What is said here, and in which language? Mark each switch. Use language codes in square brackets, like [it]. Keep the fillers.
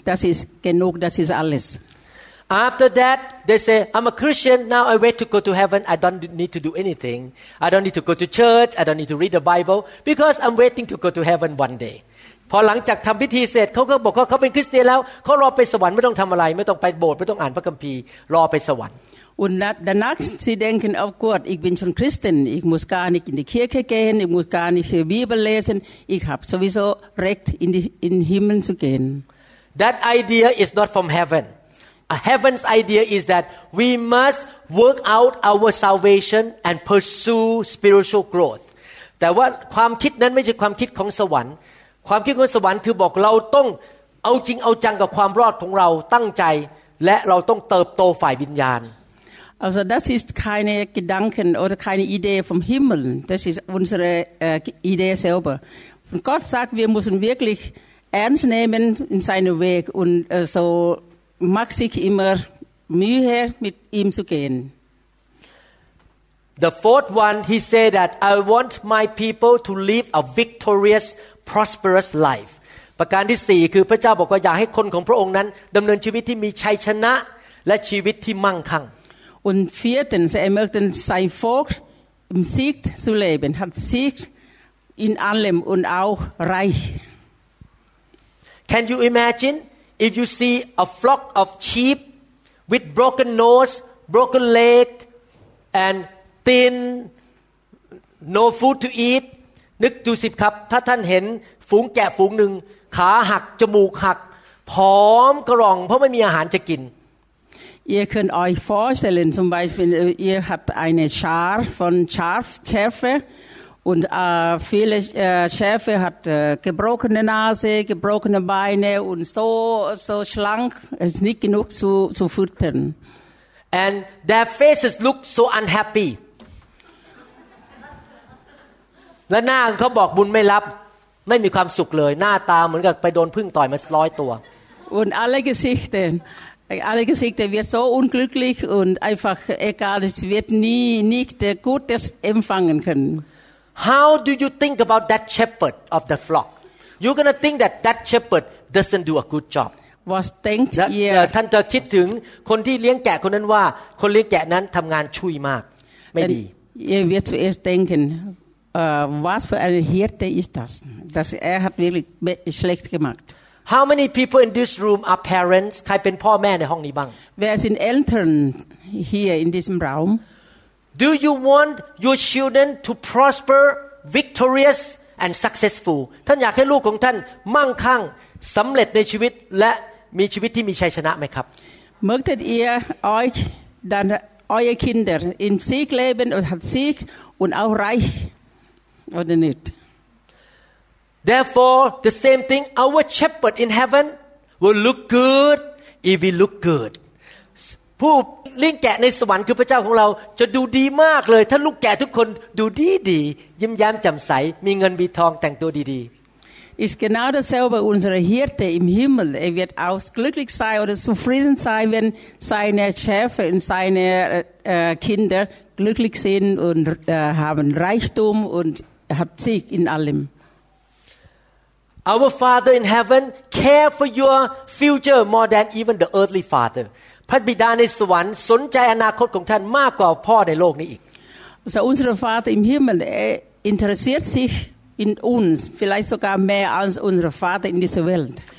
[de] Das ist genug, das ist alles. [en] After that, they say, I'm a Christian, now I wait to go to heaven. I don't need to do anything. I don't need to go to church. I don't need to read the Bible because I'm waiting to go to heaven one day. [th] พอหลังจากทำพิธีเสร็จเขาก็บอกว่าเขาเป็นคริสเตียนแล้วเขารอไปสวรรค์ไม่ต้องทำอะไร ไม่ต้องไปโบสถ์ไม่ต้องอ่านพระคัมภีร์รอไปสวรรค์ [de] Und na- danach, sie denken, oh Gott, ich bin schon Christin, ich muss gar nicht in die Kirche gehen, ich muss gar nicht die Bibel lesen, ich habe sowieso Recht, in, die, in den Himmel zu gehen. [en] That idea is not from heaven. A heaven's idea is that we must work out our salvation and pursue spiritual growth. [th] แต่ว่าความคิดนั้นไม่ใช่ความคิดของสวรรค์ ความคิดของสวรรค์คือบอกเราต้องเอาจริงเอาจังกับความรอดของเราตั้งใจ และเราต้องเติบโตฝ่ายวิญญาณ [de] Also das ist keine Gedanken oder keine Idee vom Himmel, das ist unsere äh, Idee selber. Und Gott sagt, wir müssen wirklich ernst nehmen in seinen Weg und äh, so macht sich immer Mühe, mit ihm zu gehen. [en] The fourth one, he said that I want my people to live a victorious, prosperous life. [th] ประการที่สี่คือพระเจ้าบอกว่าอยากให้คนของพระองค์นั้นดำเนินชีวิตที่มีชัยชนะและชีวิตที่มั่งคั่ง [de] Und viertens, er möchte sein Volk im Sieg zu leben, hat Sieg in allem und auch reich. [en] Can you imagine if you see a flock of sheep with broken nose, broken leg, and thin, no food to eat? [th] นึกดูสิครับ ถ้าท่านเห็นฝูงแกะฝูงหนึ่ง ขาหัก จมูกหัก ผอมกระหร่อง เพราะไม่มีอาหารจะกิน [de] Ihr könnt euch vorstellen, zum Beispiel, äh, ihr habt eine Schar von Schaf, Schäfe und äh, viele äh, Schäfe hat äh, gebrochene Nase, gebrochene Beine und so, so schlank, es ist nicht genug zu, zu füttern. [en] and their faces look so unhappy [th] และหน้าของเขาบอกบุญไม่รับ ไม่มีความสุขเลย หน้าตาเหมือนกับไปโดนพึ่งต่อยมาร้อยตัว [de] Und alle Gesichter, alle Gesichter wird so unglücklich und einfach egal, es wird nie, nicht äh, Gutes empfangen können. [en] How do you think about that shepherd of the flock? You're gonna think that that shepherd doesn't do a good job. [de] Was denkt [th] และเอ่อ [de] ihr? [th] ท่านจะคิดถึงคนที่เลี้ยงแกะคนนั้นว่า คนเลี้ยงแกะนั้นทำงานชุยมาก ไม่ดี [de] Denn Ihr wird zuerst denken, äh, was für eine Hirte ist das? das er hat wirklich be- schlecht gemacht. [en] How many people in this room are parents [th] ใครเป็นพ่อแม่ในห้องนี้บ้าง [de] Wer sind Eltern hier in diesem Raum? [en] Do you want your children to prosper victorious and successful [th] ท่านอยากให้ลูกของท่านมั่งคั่งสำเร็จในชีวิตและมีชีวิตที่มีชัยชนะไหมครับ [de] Möchtet ihr euch dann eure Kinder im Sieg leben und hat Sieg und auch reich oder nicht? [en] Therefore, the same thing, our shepherd in heaven will look good if we look good. [th] ผู้เลี้ยงแกะในสวรรค์คือพระเจ้าของเราจะดูดีมากเลย ถ้าลูกแกะทุกคนดูดีดียิ้มแย้มแจ่มใส มีเงินมีทองแต่งตัวดี [de] Ist genau dasselbe unser Hirte im Himmel. Er wird auch glücklich sein oder zufrieden sein, wenn seine Schäfer und seine äh, äh, Kinder glücklich sind und äh, haben Reichtum und hat Sieg in allem. [en] ๆ Our Father in heaven care for your future more than even the earthly father [th] พระบิดาในสวรรค์สนใจอนาคตของท่านมากกว่าพ่อในโลกนี้อีก [de] Also unser Vater im Himmel er interessiert sich in uns, vielleicht sogar mehr als unser Vater in dieser Welt.